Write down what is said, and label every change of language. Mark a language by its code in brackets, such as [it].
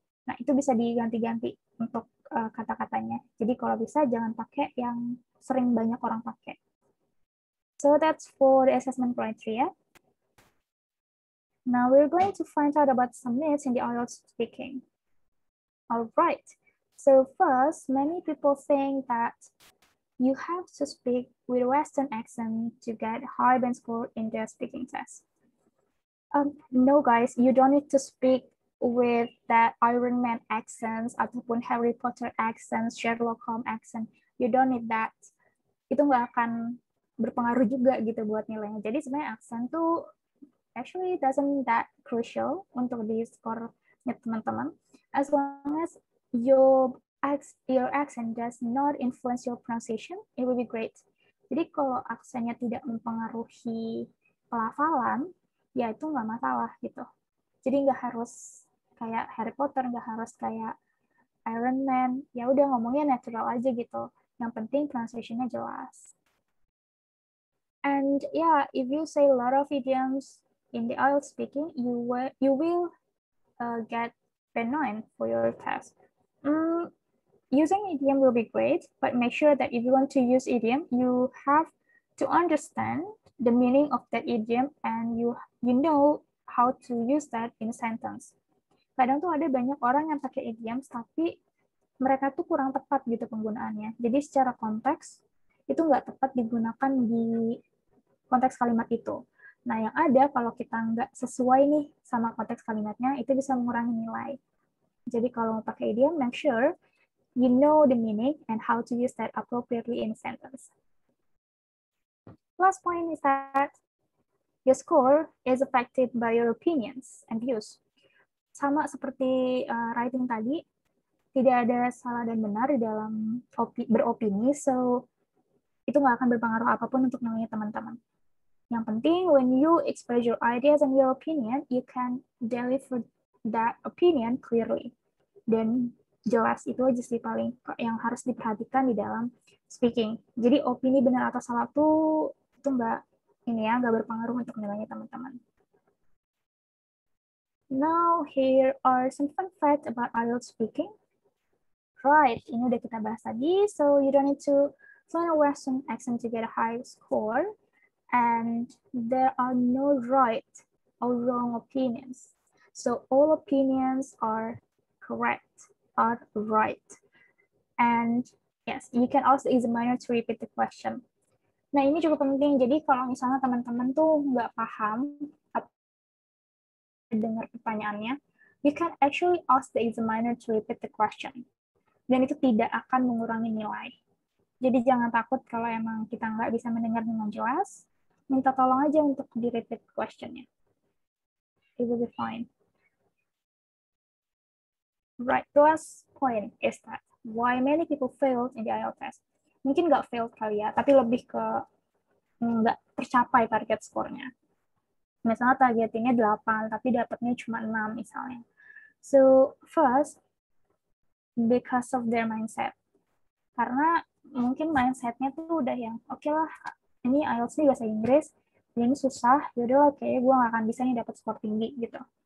[id] Nah, itu bisa diganti-ganti untuk kata-katanya. Jadi kalau bisa, jangan pakai yang sering banyak orang pakai. [en] So that's for the assessment criteria. Yeah? Now we're going to find out about some myths in the IELTS speaking. All right. So first, many people think that you have to speak with a Western accent to get high band score in their speaking test. No, guys, you don't need to speak with that Iron Man accent [id] ataupun [en] Harry Potter accent, Sherlock Holmes accent. You don't need that. [id] Itu nggak akan berpengaruh juga gitu buat nilainya. Jadi sebenarnya aksen tuh [en] actually doesn't that crucial [id] untuk di skornya teman-teman. [en] As long as your accent does not influence your pronunciation, it will be great. [id] Jadi kalau aksennya tidak mempengaruhi pelafalan, ya itu nggak masalah gitu. Jadi nggak harus kayak Harry Potter, nggak harus kayak Iron Man. Ya udah ngomongnya natural aja gitu. Yang penting pronunciation-nya jelas. [en] And yeah, if you say a lot of idioms in the IELTS speaking, you will get benign for your test. Using idiom will be great, but make sure that if you want to use idiom, you have to understand the meaning of that idiom and you know how to use that in a sentence. [id] Kadang tuh ada banyak orang yang pakai idioms tapi mereka tuh kurang tepat gitu penggunaannya. Jadi secara konteks itu nggak tepat digunakan di konteks kalimat itu. Nah, yang ada kalau kita nggak sesuai nih sama konteks kalimatnya, itu bisa mengurangi nilai. Jadi kalau mau pakai idiom, [en] make sure you know the meaning and how to use that appropriately in a sentence. Last point is that your score is affected by your opinions and views. [id] Sama seperti writing tadi, tidak ada salah dan benar di dalam beropini, so itu nggak akan berpengaruh apapun untuk nilainya teman-teman. Yang penting, [en] when you express your ideas and your opinion, you can deliver that opinion clearly. [id] Dan jelas, itu aja sih paling yang harus diperhatikan di dalam speaking. Jadi opini benar atau salah tuh itu nggak berpengaruh untuk nilainya teman-teman. [en] Now, here are some fun facts about IELTS speaking. Right, [id] ini udah kita bahas tadi, [en] so you don't need to learn a Western accent to get a high score. And there are no right or wrong opinions. So all opinions are correct, are right. And yes, you can also examine to repeat the question. [id] Nah, ini juga penting. Jadi kalau misalnya teman-teman tuh nggak paham dengar pertanyaannya, [en] you can actually ask the examiner to repeat the question. [id] Dan itu tidak akan mengurangi nilai. Jadi jangan takut kalau emang kita nggak bisa mendengar dengan jelas, minta tolong aja untuk di-repeat question-nya. [en] It will be fine. Right, the last point is that why many people failed in the IELTS test. [id] Mungkin nggak failed kali ya, tapi lebih ke nggak tercapai target skornya. Misalnya targetingnya 8, tapi dapatnya cuma 6 misalnya. [en] So, first, because of their mindset. [id] Karena mungkin mindset-nya tuh udah yang, okay lah, ini IELTS nih bahasa Inggris, ini susah, yaudah oke, okay, gue gak akan bisa nih dapat skor tinggi, gitu.